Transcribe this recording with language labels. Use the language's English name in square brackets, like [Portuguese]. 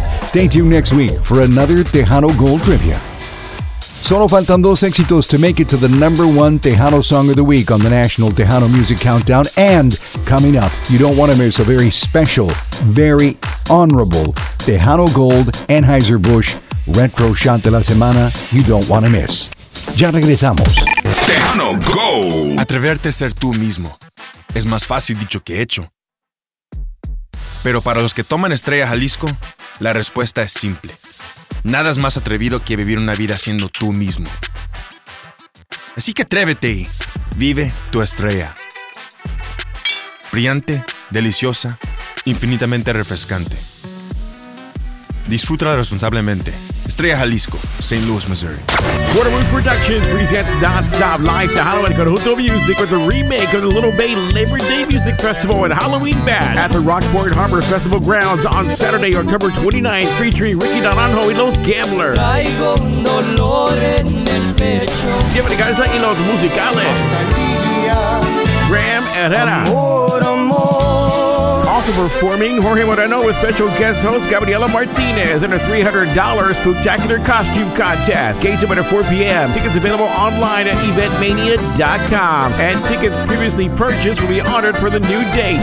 [English] Stay tuned next week for another Tejano Gold Trivia. [Spanish] Solo faltan dos éxitos [English] to make it to the number one Tejano song of the week on the National Tejano Music Countdown. And coming up, you don't want to miss a very special, very honorable Tejano Gold Anheuser-Busch Retro Shot de la Semana you don't want to miss. [Spanish] Ya regresamos. [English] Tejano Gold. [Spanish] Atreverte a ser tú mismo es más fácil dicho que hecho. Pero para los que toman Estrella Jalisco, la respuesta es simple. Nada es más atrevido que vivir una vida siendo tú mismo. Así que atrévete y vive tu estrella. Brillante, deliciosa, infinitamente refrescante. Disfrútala responsablemente. Estrella Jalisco, St. Louis, Missouri. [English] Quarter Moon Productions presents Nonstop Life, the Halloween Conjunto Music with a remake of the Little Bay Labor Day Music Festival and Halloween Bash at the Rockport Harbor Festival Grounds on Saturday, October 29th, featuring Ricky Naranjo y Los Gamblers. [Spanish] Traigo un dolor en el pecho. Bienvenida y los musicales. Graham Herrera. Amor, amor. [English] Also performing, Jorge Moreno with special guest host Gabriela Martinez in a $300 spectacular costume contest. Gates open at 4 p.m. Tickets available online at eventmania.com. And tickets previously purchased will be honored for the new date.